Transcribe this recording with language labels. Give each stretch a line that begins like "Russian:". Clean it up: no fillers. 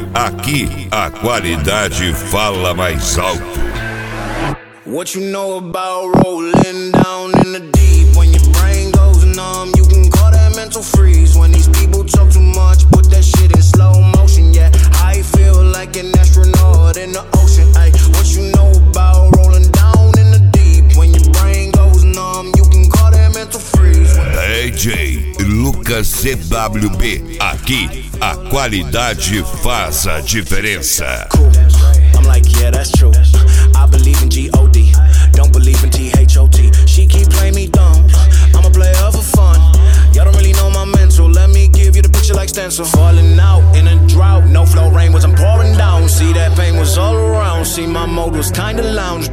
Portuguese: Aqui a qualidade fala mais alto.
English: What you know about rolling down in the deep? When your brain goes numb, you can call that mental freeze. When these people talk too much, put that shit in slow motion. Yeah, I feel like an astronaut in the ocean. Ay, what you know about rolling down in the deep? When your brain goes numb, you can call that mental freeze.
Portuguese: AJ Lucas CWB, aqui a qualidade faz a diferença.
English: Cool. I'm like, yeah, that's true. I believe in G-O-D, don't believe in T-H-O-T. She keep playing me dumb, I'm a player for fun. Y'all don't really know my mental, let me give you the picture like stencil. Falling out in a drought, no flow, rain wasn't pouring down. See that pain was all around, see my mode was kinda lounge.